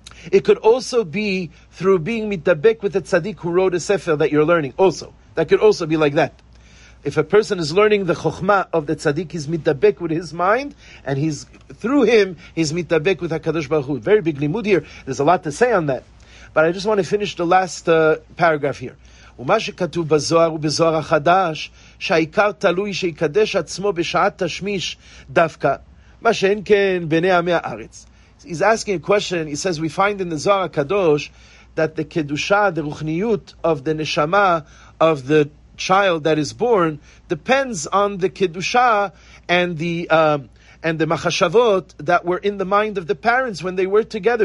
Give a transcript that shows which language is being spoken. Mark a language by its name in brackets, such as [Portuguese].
[English] It could also be through being mitdabek with a tzaddik who wrote a sefer that you're learning also. That could also be like that. If a person is learning the chokhmah of the tzaddik, he's mitdabek with his mind, and he's through him, he's mitdabek with HaKadosh Baruch Hu. Very big limud here. There's a lot to say on that. But I just want to finish the last paragraph here. [Hebrew] ומה שכתוב בזוהר ובזוהר החדש, שהעיקר תלוי שיקדש עצמו בשעת תשמיש דווקא, מה שאין כן בני עמי הארץ. [English] He's asking a question. He says, we find in the Zohar HaKadosh that the kedusha, the ruchniyut of the neshama of the child that is born depends on the kiddushah and the machashavot that were in the mind of the parents when they were together.